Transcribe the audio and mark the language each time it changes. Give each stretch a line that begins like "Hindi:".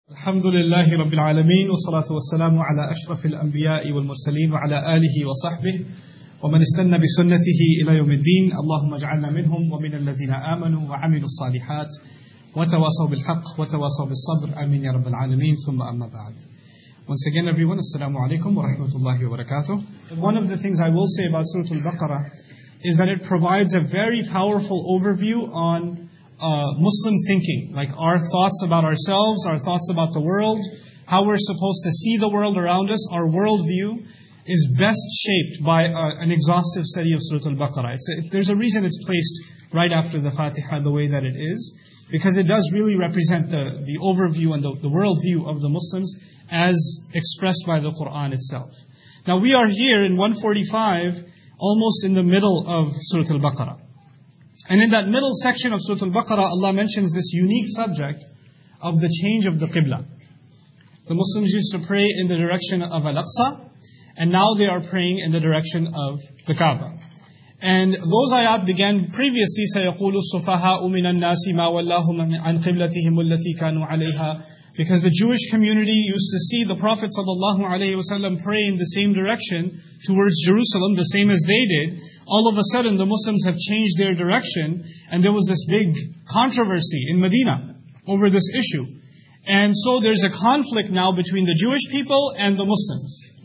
Arabic: الحمد لله رب العالمين والصلاة والسلام على أشرف الأنبياء والمرسلين وعلى آله وصحبه ومن استنى بسنته إلى يوم الدين اللهم اجعلنا منهم ومن الذين آمنوا وعملوا الصالحات وتواصوا بالحق وتواصوا بالصبر آمين يا رب العالمين ثم أما بعد.
English: Once again everyone, assalamu alaikum wa rahmatullahi wa barakatuh. One of the things I will say about Surah Al-Baqarah is that it provides a very powerful overview on Muslim thinking, like our thoughts about ourselves, our thoughts about the world, how we're supposed to see the world around us. Our worldview is best shaped by an exhaustive study of Surah Al-Baqarah. There's a reason it's placed right after the Fatiha the way that it is, because it does really represent the overview and the worldview of the Muslims as expressed by the Qur'an itself. Now we are here in 145, almost in the middle of Surah Al-Baqarah. And in that middle section of Surah Al-Baqarah, Allah mentions this unique subject of the change of the Qibla. The Muslims used to pray in the direction of Al-Aqsa, and now they are praying in the direction of the Kaaba. And those ayat began previously,
Arabic: سَيَقُولُ السُّفَهَاءُ مِنَ النَّاسِ مَا وَلَّهُمْ عَنْ قِبْلَتِهِمُ الَّتِي كَانُوا عَلَيْهَا.
English: Because the Jewish community used to see the Prophet ﷺ pray in the same direction towards Jerusalem, the same as they did. All of a sudden, the Muslims have changed their direction, and there was this big controversy in Medina over this issue. And so there's a conflict now between the Jewish people and the Muslims.